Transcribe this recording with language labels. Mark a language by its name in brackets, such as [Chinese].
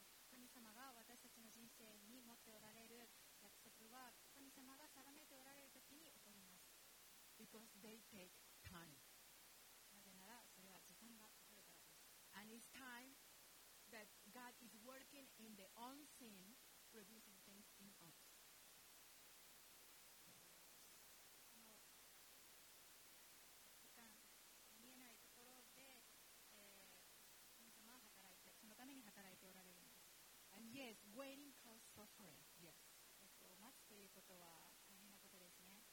[Japanese] 神様が私たちの人生に持っておられる約束は神様が定めておられるときに起こります。 [English] Because they take time. [Japanese] なぜならそれは時間がかかるからです。 [English] And it's time that God is working in the unseen producing things in us. [Japanese] その時間見えないところで、神様は働いてそのために働いておられるんです。 [English] And yes, waiting causes suffering. Yes. [Japanese] 待つということは大変なことですね。